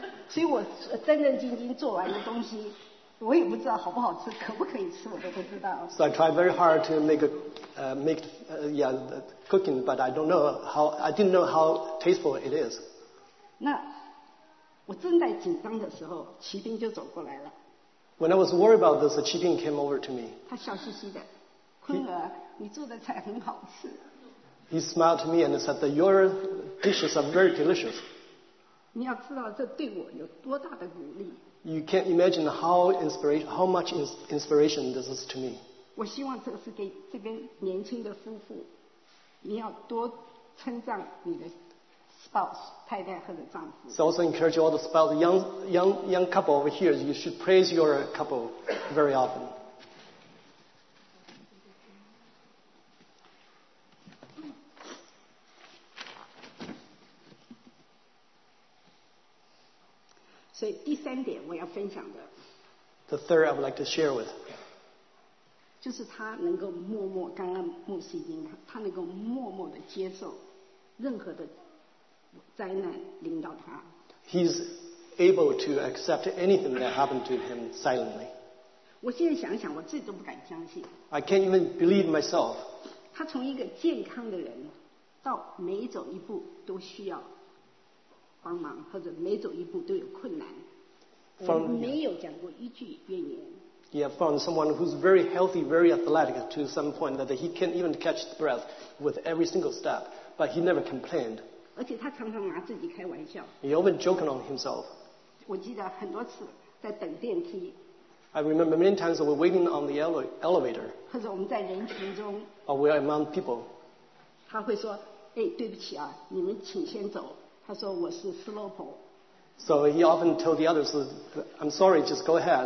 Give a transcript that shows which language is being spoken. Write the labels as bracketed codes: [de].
[zh] 所以我战战兢兢做完的东西，我也不知道好不好吃，可不可以吃，我都不知道。 [en] So I tried very hard to make cooking, but I didn't know how tasteful it is. 那 [zh] 我正在紧张的时候，骑兵就走过来了。 [en] When I was worried about this, the 骑兵 came over to me. [zh] 他笑嘻嘻的，坤儿，你做的菜很好吃。 [en] He smiled to me and said that your dishes are very delicious. [zh] 你要知道这对我有多大的鼓励。 [en] You can't imagine how much inspiration this is to me. [zh] 我希望这是给这个年轻的夫妇，你要多称赞你的。 [en] So also encourage all the spouse, young couple over here, you should praise your couple very often. [zh] So, 第三点我要分享的。 [en] The third I would like to share with. [zh] 就是他能够默默，刚刚牧师已经，他能够默默地接受任何的。灾难临到他。 [en] He's able to accept anything that happened to him silently. [zh] 我现在想想，我自己都不敢相信。 [en] I can't even believe myself. [zh] 他从一个健康的人，到每走一步都需要帮忙，或者每走一步都有困难。 [en] From, [zh] 我没有讲过一句怨言。 [en] Yeah, from someone who's very healthy, very athletic, to some point that he can't even catch the breath with every single step, but he never complained. [zh] 而且他常常拿自己开玩笑。 [en] He often joking on himself. [zh] 我记得很多次在等电梯。 [en] I remember many times we're waiting on the elevator. [zh] 或者我们在人群中。 [en] Or we're among people. [zh] 他会说：“哎，对不起啊，你们请先走。” 他说：“我是 slowpole。” [en] So he often told the others, "I'm sorry, just go ahead.